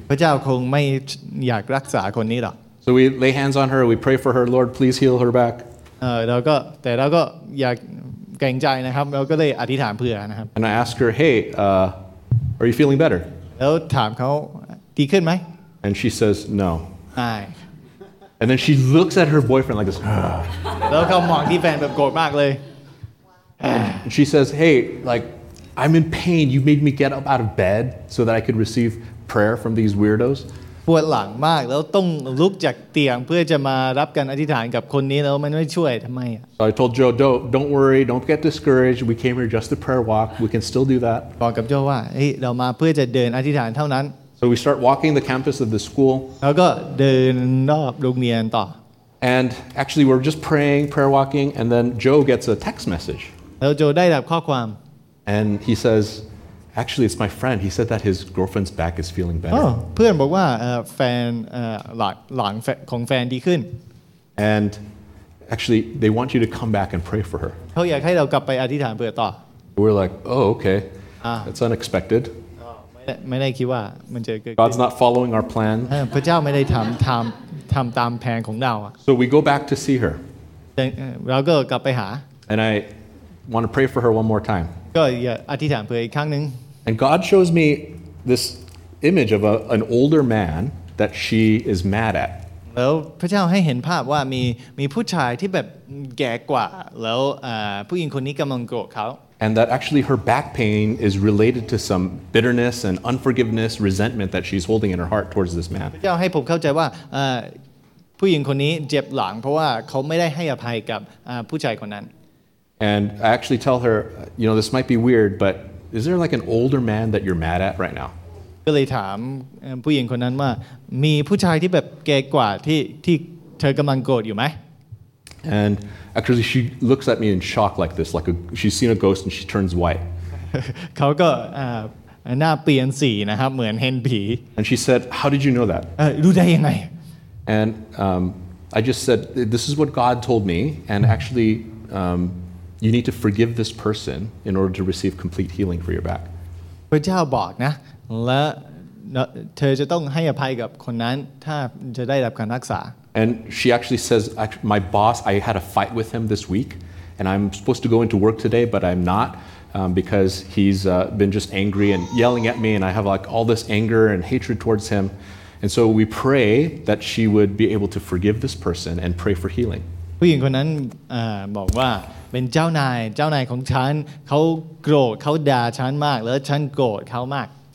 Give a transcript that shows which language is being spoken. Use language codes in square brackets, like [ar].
[th] พระเจ้าคงไม่อยากรักษาคนนี้หรอก [en] So we lay hands on her, we pray for her, Lord, please heal her back. [th] เราก็อยากเกรงใจนะครับเราก็เลยอธิษฐานเพื่อนะครับ [en] And I ask her, "Hey, are you feeling better?" [th] แล้วถามเขาดีขึ้นไหม [en] And she says, no. Hi. And then she looks at her boyfriend like this. And she says, hey, like, I'm in pain. You made me get up out of bed so that I could receive prayer from these weirdos. [th] ปวดหลังมากแล้วต้องลุกจากเตียงเพื่อจะมารับการอธิษฐานกับคนนี้แล้วมันไม่ช่วยทำไม [en] So I told Joe, don't worry, don't get discouraged. We came here just to prayer walk. We can still do that. [th] บอกกับโจว่าเรามาเพื่อจะเดินอธิษฐานเท่านั้น [en] So we start walking the campus of the school. [th] แล้วก็เดินรอบโรงเรียนต่อ [en] And actually we're just praying, prayer walking, and then Joe gets a text message. [th] แล้วโจได้รับข้อความ [en] And he says, actually it's my friend. He said that his girlfriend's back is feeling better. [th] เพื่อนบอกว่าแฟนหลังของแฟนดีขึ้น [en] And actually they want you to come back and pray for her. [th] เขาอยากให้เรากลับไปอธิษฐานเพื่อต่อ [en] We're like, oh, okay. That's unexpected. [th] ไม่ได้คิดว่ามันจะเกิด [en] God's not following our plan [th] พระเจ้าไม่ได้ทำตามแผนของเรา [en] So we go back to see her [th] เราก็กลับไปหา [en] And I want to pray for her one more time [th] ก็อยากอธิษฐานเพื่ออีกครั้งนึง [en] And God shows me this image of an older man that she is mad at [th] แล้วพระเจ้าให้เห็นภาพว่ามีผู้ชายที่แบบแก่กว่าแล้วผู้หญิงคนนี้กำลังโกรธเขา [en] And that actually her back pain is related to some bitterness and unforgiveness, resentment that she's holding in her heart towards this man. [th] พระเจ้าให้ผมเข้าใจว่าผู้หญิงคนนี้เจ็บหลังเพราะว่าเขาไม่ได้ให้อภัยกับผู้ชายคนนั้น [en] And I actually tell her, you know, this might be weird, but is there like an older man that you're mad at right now? [th] ก็เลยถามผู้หญิงคนนั้นว่ามีผู้ชายที่แบบแก่กว่าที่เธอกำลังโกรธอยู่ไหม [en] And actually, she looks at me in shock like this, like she's seen a ghost and she turns white. [th] เขาก็หน้าเปลี่ยนสีนะครับเหมือนเห็นผี [en] And she said, "How did you know that?" [th] รู้ได้ยังไง [en] And I just said, "This is what God told me, and actually, you need to forgive this person in order to receive complete healing for your back." [th] พระเจ้าบอกนะและเธอจะต้องให้อภัยกับคนนั้นถ้าจะได้รับการรักษา [en] And she actually says, my boss, I had a fight with him this week, and I'm supposed to go into work today, but I'm not because he's been just angry and yelling at me, and I have like all this anger and hatred towards him. And so we pray that she would be able to forgive this person and pray for healing. [th] ผู้หญิงคนนั้นบอกว่าเป็นเจ้านายของฉันเขาโกรธเขาด่าฉันมากแล้วฉันโกรธเขามาก